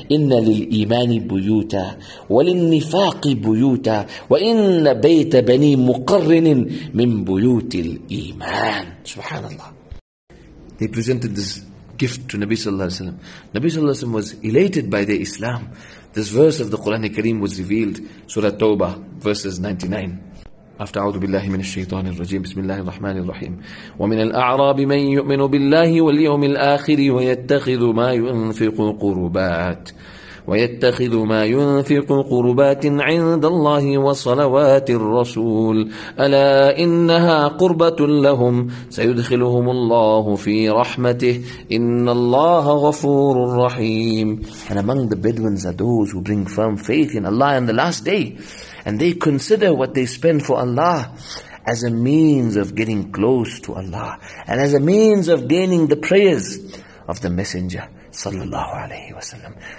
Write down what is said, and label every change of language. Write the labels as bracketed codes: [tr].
[ar] إِنَّ لِلْإِيمَانِ بُيُوتًا وَلِلنِّفَاقِ بُيُوتًا وَإِنَّ بَيْتَ بَنِي مُقَرِّنٍ مِنْ بُيُوتِ الْإِيمَانِ. Subhanallah. [en] They presented this gift to Nabi Sallallahu Alaihi Wasallam. Nabi Sallallahu Alaihi Wasallam was elated by the Islam. This verse of the Quran Kareem was revealed. Surah Tawbah, verses 99. [ar] After أعوذ بالله من الشيطان الرجيم بسم الله الرحمن الرحيم ومن الأعراب من يؤمن بالله واليوم الآخر ويتخذ ما ينفق قربات ويتخذ ما ينفق قربات عند الله وصلوات الرسول ألا إنها قربة لهم سيدخلهم الله في رحمته إن الله غفور رحيم. [en] And among the Bedouins are those who bring firm faith in Allah on the last day. And they consider what they spend for Allah as a means of getting close to Allah and as a means of gaining the prayers of the Messenger sallallahu alayhi wasallam.